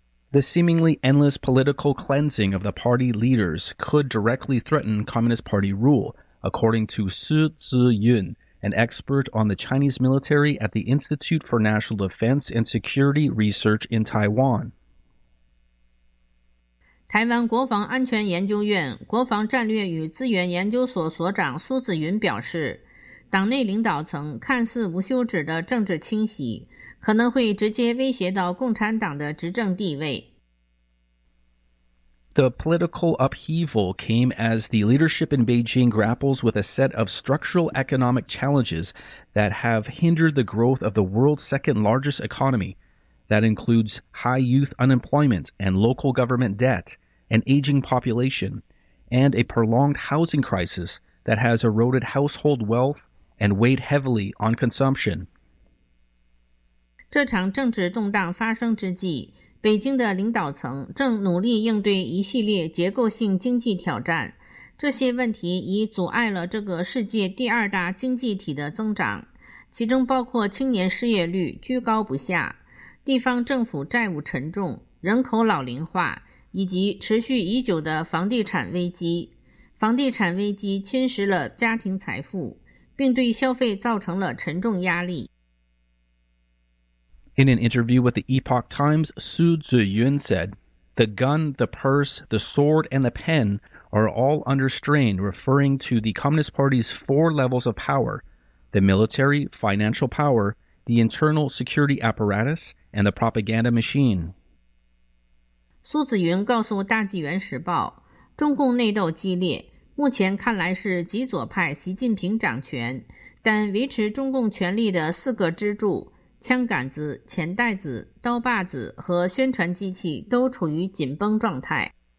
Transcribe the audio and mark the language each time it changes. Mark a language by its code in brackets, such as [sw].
[en] The seemingly endless political cleansing of the party leaders could directly threaten Communist Party rule, according to Su Ziyun, an expert on the Chinese military at the Institute for National Defense and Security Research in Taiwan. [zh] 台湾国防安全研究院国防战略与资源研究所所长苏子云表示，党内领导层看似无休止的政治清洗可能会直接威胁到共产党的执政地位。 [en] The political upheaval came as the leadership in Beijing grapples with a set of structural economic challenges that have hindered the growth of the world's second largest economy. That includes high youth unemployment and local government debt, an aging population, and a prolonged housing crisis that has eroded household wealth and weighed heavily on consumption. [zh] 这场政治动荡发生之际，北京的领导层正努力应对一系列结构性经济挑战，这些问题已阻碍了这个世界第二大经济体的增长，其中包括青年失业率居高不下、地方政府债务沉重、人口老龄化以及持续已久的房地产危机。房地产危机侵蚀了家庭财富，并对消费造成了沉重压力。 [en] In an interview with the Epoch Times, Su Ziyun said, "The gun, the purse, the sword, and the pen are all under strain," referring to the Communist Party's four levels of power: the military, financial power, the internal security apparatus, and the propaganda machine. [zh] 苏子云告诉《大纪元时报》，中共内斗激烈，目前看来是极左派习近平掌权，但维持中共权力的四个支柱。枪杆子、钱袋子、刀把子和宣传机器都处于紧绷状态。